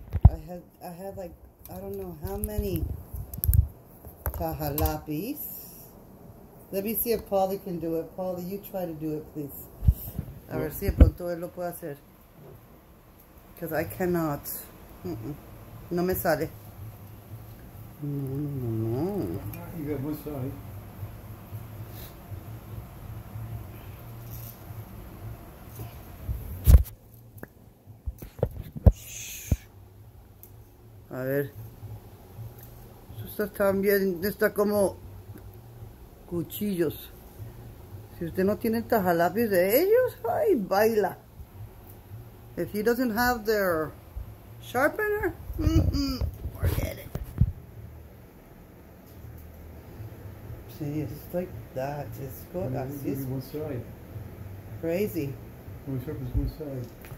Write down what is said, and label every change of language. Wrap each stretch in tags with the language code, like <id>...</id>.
<en>I had like, I don't know how many tajalapis. Let me see if Polly can do it. Polly, you try to do it, please.</en> <es>A ver si pronto él lo puede hacer.</es> <en>Because I cannot.</en> <es>Mm-mm. No me sale. No.</es> <en>You got one side.</en> <es>A ver. Eso está tan bien. Está como cuchillos. Si usted no tiene tajalapis de ellos, ay, baila.</es> <en>If he doesn't have their sharpener, forget it. See, it's like that. It's good. It's one side. Crazy. Only sharpens one side.</en>